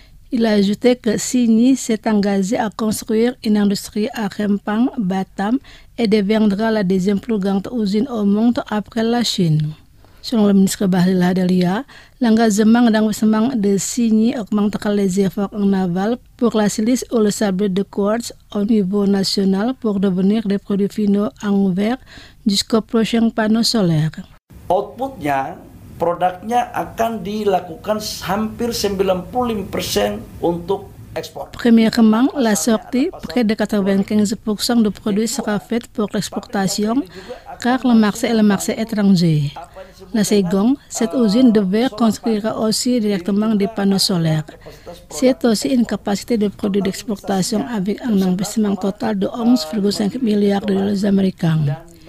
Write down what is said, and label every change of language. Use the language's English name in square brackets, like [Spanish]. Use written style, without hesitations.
[French] Il a ajouté que Signy s'est engagé à construire une industrie à Rempang, Batam, et deviendra la deuxième plus grande usine au monde après la Chine. Selon le ministre Bahlil Hadalia, l'engagement d'investissement de Signy augmentera les efforts en aval pour la silice ou le sable de quartz au niveau national pour devenir des produits finaux en verre jusqu'au prochain panneau solaire. [Indonesian] Outputnya, produknya akan dilakukan hampir 95% untuk export. [French] Premièrement, la sortie, près de 95% du produit sera faite pour l'exportation car le marché est le marché étranger. La seconde, cette usine de verre construira aussi directement des panneaux solaires. C'est aussi une capacité de produits d'exportation avec un investissement total de 11,5 milliards de dollars américains.